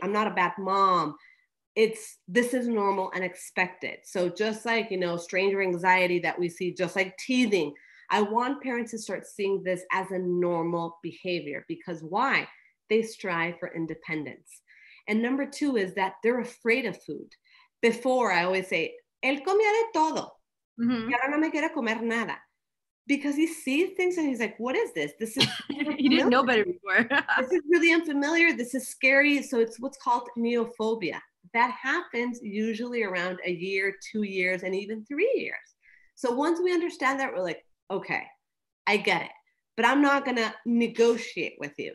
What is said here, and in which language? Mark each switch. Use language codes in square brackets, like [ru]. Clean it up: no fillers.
[en] I'm not a bad mom. This is normal and expected. So just like, you know, stranger anxiety that we see, just like teething, I want parents to start seeing this as a normal behavior, because why? They strive for independence. And number two is that they're afraid of food. Before, I always say, [es] él comía de todo. Mm-hmm. Y ahora no me quiere comer nada. [en] Because he sees things and he's like, what is this? This is he didn't know better before. This is really unfamiliar. This is scary. So it's what's called neophobia. That happens usually around a year, 2 years, and even 3 years. So once we understand that, we're like, okay, I get it, but I'm not gonna negotiate with you.